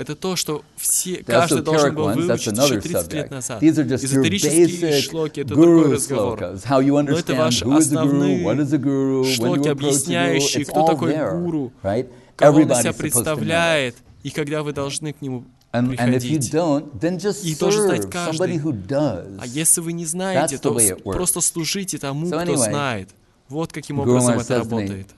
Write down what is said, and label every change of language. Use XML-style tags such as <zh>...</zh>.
<ru>Это то, что все, каждый должен был выучить еще 30 лет назад. Эзотерические шлоки — это другой разговор. Но это ваши основные шлоки, объясняющие, кто такой гуру, кого он из себя представляет, и когда вы должны к нему</ru> <en>And if you don't, then just serve somebody who does.</en> <ru>А если вы не знаете, то просто служите тому, кто знает. Вот каким образом это работает.</ru>